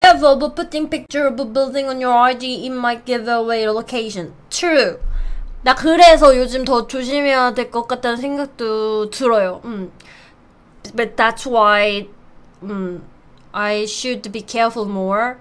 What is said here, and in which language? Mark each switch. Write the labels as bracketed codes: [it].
[en] careful, but putting picture of a building on your IG, it might give away your location. True. [ko] 나 그래서 요즘 더 조심해야 될 것 같다는 생각도 들어요. [en] But that's why I should be careful more.